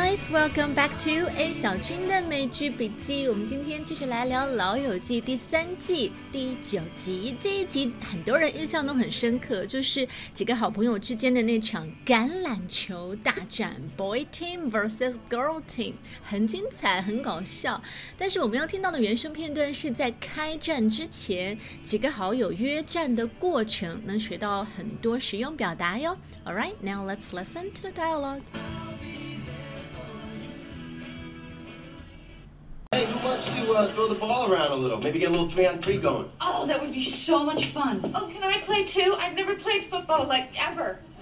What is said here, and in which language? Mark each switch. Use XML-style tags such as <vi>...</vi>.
<en>welcome back to</en> <zh>A 小军的美剧笔记。我们今天继续来聊《老友记》第三季第九集。这一集很多人印象都很深刻，就是几个好朋友之间的那场橄榄球大战 ，</zh> <en>Boy Team vs Girl Team，</en> <zh>很精彩，很搞笑。但是我们要听到的原声片段是在开战之前，几个好友约战的过程，能学到很多实用表达哟。</zh> <en>All right, now let's listen to the dialogue. Hey, who wants to throw the ball around a little? Maybe get a little 3-on-3 going. Oh, that would be so much fun. Oh, can I play too? I've never played football, like, ever.</en>